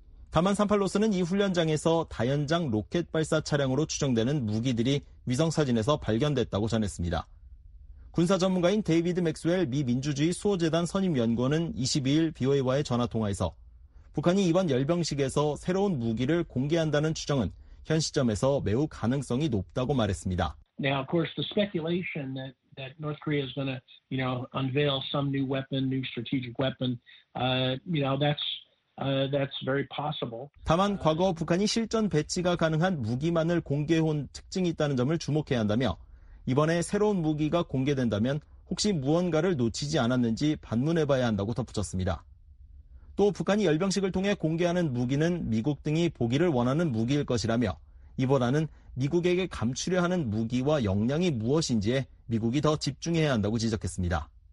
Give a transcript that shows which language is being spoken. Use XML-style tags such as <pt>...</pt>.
<ko>다만 38로스는 이 훈련장에서 다연장 로켓 발사 차량으로 추정되는 무기들이 위성사진에서 발견됐다고 전했습니다. 군사 전문가인 데이비드 맥스웰 미 민주주의 수호재단 선임연구원은 22일 BOA와의 전화통화에서 북한이 이번 열병식에서 새로운 무기를 공개한다는 추정은 현 시점에서 매우 가능성이 높다고 말했습니다.</ko> <en>Now, of course, the speculation that North Korea is going to, you know, unveil some new weapon, new strategic weapon, you know, that's That's very possible.</en> <ko>다만 과거 북한이 실전 배치가 가능한 무기만을 공개해온 특징이 있다는 점을 주목해야 한다며 이번에 새로운 무기가 공개된다면 혹시 무언가를 놓치지 않았는지 반문해봐야 한다고 덧붙였습니다. 또 북한이 열병식을 통해 공개하는 무기는 미국 등이 보기를 원하는 무기일 것이라며 이보다는 미국에게 감추려 하는 무기와 역량이 무엇인지에 미국이 더 집중해야 한다고 지적했습니다.</ko>